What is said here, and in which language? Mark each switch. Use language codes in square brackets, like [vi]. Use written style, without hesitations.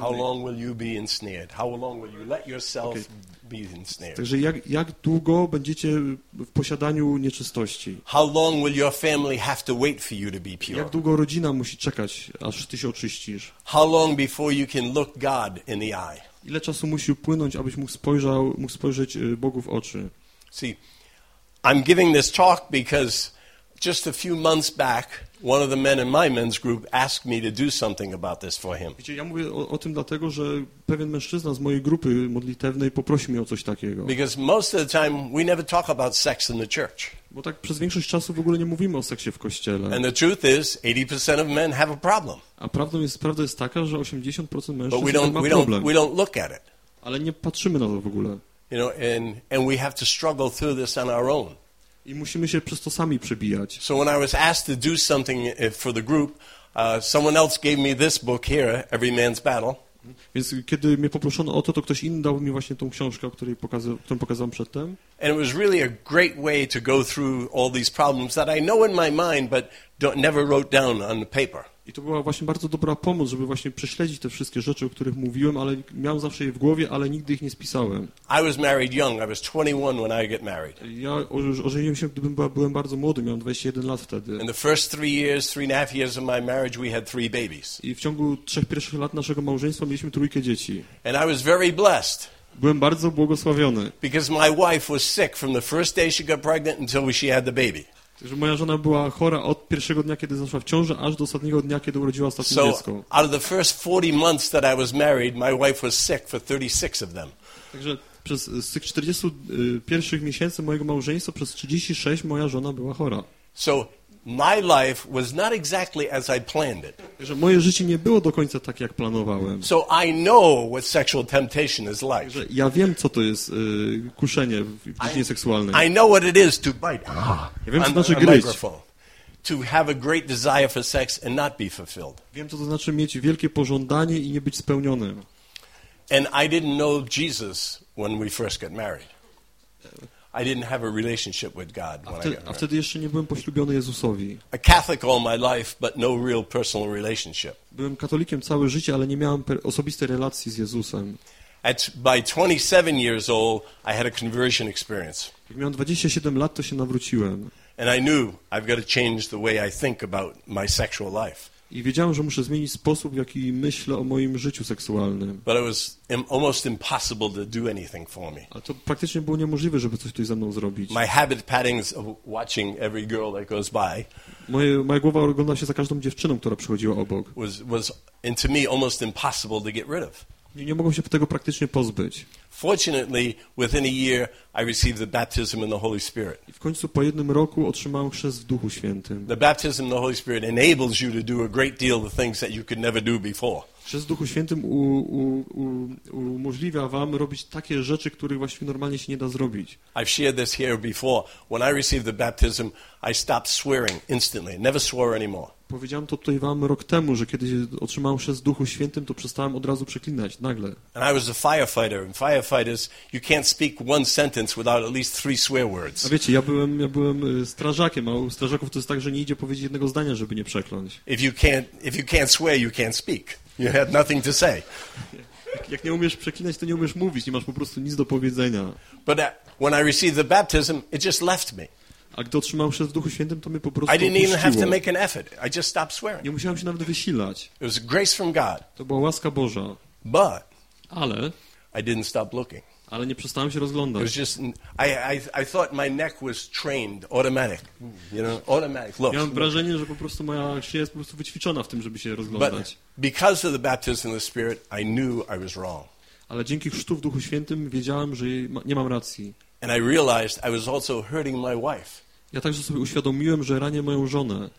[en] How long will you be ensnared? How long will you let yourself okay. be ensnared? [pl] Także jak długo będziecie w posiadaniu nieczystości? [en] How long will your family have to wait for you to be pure? [pl] Jak długo rodzina musi czekać, aż ty się oczyścisz? [en] How long before you can look God in the eye? [pl] Ile czasu musi upłynąć, abyś mógł spojrzeć Bogu w oczy? [en] See, I'm giving this talk because just a few months back, one of the men in my men's group asked me to do something about this for him. [pl] Wiecie, ja mówię o tym dlatego, że pewien mężczyzna z mojej grupy modlitewnej poprosił mnie o coś takiego. [en] Because most of the time we never talk about sex in the church. [pl] Bo tak przez większość czasu w ogóle nie mówimy o seksie w kościele. [en] And the truth is, 80% of men have a problem. [pl] A prawda jest taka, że 80% mężczyzn ma problem. [en] We don't look at it. [pl] Ale nie patrzymy na to w ogóle. [en] You know, and we have to struggle through this on our own. [pl] I musimy się przez to sami przebijać. [en] So when I was asked to do something for the group, someone else gave me this book here, Every Man's Battle. [pl] Więc kiedy mnie poproszono o to ktoś inny dał mi właśnie tą książkę, którą pokazałem przedtem. [en] And it was really a great way to go through all these problems that I know in my mind, but never wrote down on the paper. [pl] I to była właśnie bardzo dobra pomoc, żeby właśnie prześledzić te wszystkie rzeczy, o których mówiłem, ale miałem zawsze je w głowie, ale nigdy ich nie spisałem. [en] I was married young. I was 21 when I get married. [pl] Ja ożeniłem się, gdy byłem bardzo młody, miałem 21 lat wtedy. [en] In the first 3 years, 3.5 years of my marriage, we had 3 babies. [pl] I w ciągu 3 pierwszych lat naszego małżeństwa mieliśmy 3 dzieci. [en] And I was very blessed. [pl] Byłem bardzo błogosławiony. [en] Because my wife was sick from the first day she got pregnant until she had the baby. [pl] Że moja żona była chora od pierwszego dnia, kiedy zaszła w ciążę, aż do ostatniego dnia, kiedy urodziła ostatnie dziecko. [en] Out of the first 40 months that I was married, my wife was sick for 36 of them. [pl] Także z tych 41 miesięcy mojego małżeństwa, przez 36 moja żona była chora. [en] So my life was not exactly as I planned it. [pl] Także moje życie nie było do końca tak, jak planowałem. [en] So I know what sexual temptation is like. [pl] Także ja wiem, co to jest kuszenie w dziedzinie seksualnej. [en] I know what it is to bite. [pl] Ja wiem, co to znaczy gryźć. [en] To have a great desire for sex and not be fulfilled. [pl] Wiem, co to znaczy mieć wielkie pożądanie i nie być spełnionym. [en] And I didn't know Jesus when we first got married. I didn't have a relationship with God when I got married. [pl] A wtedy jeszcze nie byłem poślubiony Jezusowi. [en] A Catholic all my life, but no real personal relationship. [pl] Byłem katolikiem całe życie, ale nie miałem osobistej relacji z Jezusem. [en] By 27 years old, I had a conversion experience. [pl] Jak miałem 27 lat, to się nawróciłem. [en] And I knew I've got to change the way I think about my sexual life. [pl] I wiedziałem, że muszę zmienić sposób, w jaki myślę o moim życiu seksualnym. [en] But it was almost impossible to do anything for me. [pl] A to praktycznie było niemożliwe, żeby coś tutaj ze mną zrobić. [en] My habit patterns of watching every girl that goes by. [pl] Moja głowa ogląda się za każdą dziewczyną, która przychodziła obok. [en] Was into me almost impossible to get rid of. [pl] Nie mogłem się tego praktycznie pozbyć. [en] Fortunately, within a year, I received the baptism in the Holy Spirit. [pl] W końcu po jednym roku otrzymałem chrzest w Duchu Świętym. [en] The baptism in the Holy Spirit enables you to do a great deal of things that you could never do before. [pl] Chrzest w Duchu Świętym umożliwia wam robić takie rzeczy, których właściwie normalnie się nie da zrobić. [en] I've shared this here before. When I received the baptism, I stopped swearing instantly. Never swore anymore. [pl] Powiedziałem to tutaj wam rok temu, że kiedy otrzymałem chrzest w Duchu Świętym, to przestałem od razu przeklinać, nagle. [en] And I was a firefighter, and firefighters, you can't speak one sentence without at least 3 swear words. [pl] A wiecie, ja byłem strażakiem, a u strażaków to jest tak, że nie idzie powiedzieć jednego zdania, żeby nie przekląć. [en] If you can't swear, you can't speak. You had nothing to say. [pl] Jak nie umiesz przeklinać, to nie umiesz mówić, nie masz po prostu nic do powiedzenia. [en] But when I received the baptism, it just left me. [pl] A gdy otrzymałem chrzest w Duchu Świętym, to mnie po prostu opuściło. [en] I didn't even have to make an effort. I just stopped swearing. [pl] Nie musiałem się nawet wysilać. [en] It was grace from God. [pl] To była łaska Boża. [en] But [pl] ale [en] I didn't stop looking. [pl] Ale nie przestałem się rozglądać. [en] It was just, I thought my neck was trained automatic, you know, automatic. Look, [pl] miałem wrażenie, że po prostu moja szyja jest po prostu wyćwiczona w tym, żeby się rozglądać. [en] But because of the baptism of the Spirit, I knew I was wrong. [pl] Ale dzięki chrztu w Duchu Świętym wiedziałem, że nie mam racji. [en] And I realized I was also hurting my wife. [pl] Ja także sobie uświadomiłem, że ranię moją żonę.